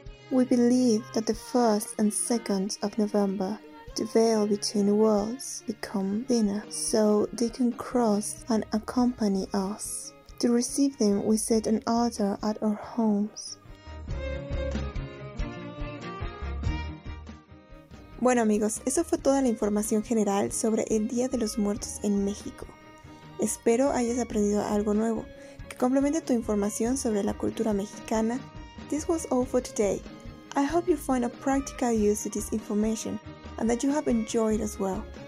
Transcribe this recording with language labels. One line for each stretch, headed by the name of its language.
English: We believe that the 1st and 2nd of November, the veil between worlds become thinner so they can cross and accompany us. To receive them, we set an altar at our homes.
Spanish: Bueno amigos, eso fue toda la información general sobre el Día de los Muertos en México. Espero hayas aprendido algo nuevo, que complemente tu información sobre la cultura mexicana.
English: This was all for today. I hope you find a practical use to this information and that you have enjoyed as well.